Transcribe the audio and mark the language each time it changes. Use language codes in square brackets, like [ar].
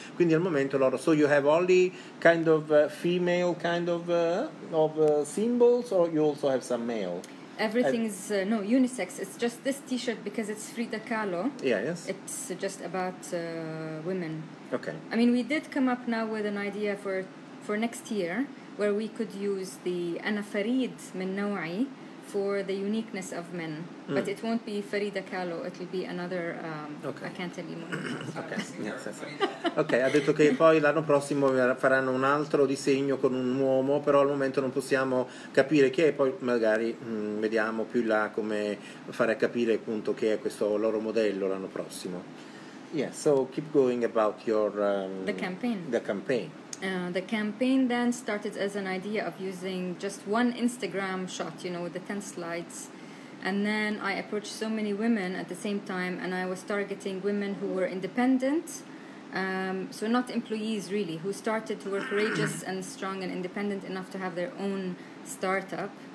[it] Quindi al momento loro, [en] so you have only kind of female kind of symbols, or you also have some male? Everything is unisex. It's just this t-shirt, because it's Frida Kahlo. Yeah, yes. It's just about women. Okay. I mean, we did come up now with an idea for next year, where we could use the [ar] Anna Farid min Nawai [en] for the uniqueness of men. Mm. But it won't be Farida Kahlo, it will be another okay. Akantelimo. Okay. Yes, yes, yes. [it] Ok, ha detto che poi l'anno prossimo faranno un altro disegno con un uomo, però al momento non possiamo capire chi è, poi magari vediamo più là come fare a capire appunto che è questo loro modello l'anno prossimo. [en] Yeah, so keep going about your the campaign. The campaign then started as an idea of using just one Instagram shot, you know, with the 10 slides. And then I approached so many women at the same time, and I was targeting women who were independent, so not employees really, who started, who were courageous and strong and independent enough to have their own startup.